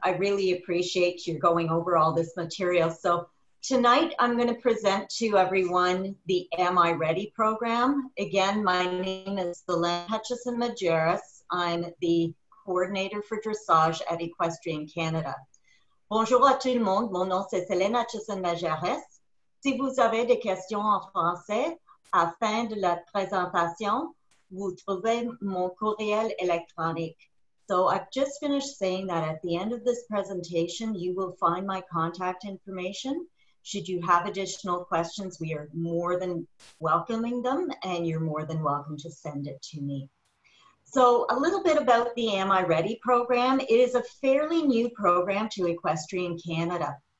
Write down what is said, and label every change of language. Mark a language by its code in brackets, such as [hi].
[en] I really appreciate you going over all this material. So tonight I'm going to present to everyone the Am I Ready program. Again, my name is Celine Hutchison-Majerus. I'm the coordinator for Dressage at Equestrian Canada. [fr] Bonjour à tout le monde. Mon nom c'est Celine Hutchison-Majerus. Si vous avez des questions en français, à la fin de la présentation, vous trouverez mon courriel électronique. [en] So I've just finished saying that at the end of this presentation, you will find my contact information. Should you have additional questions, we are more than welcoming them, and you're more than welcome to send it to me. So a little bit about the Am I Ready program. It is a fairly new program to Equestrian Canada.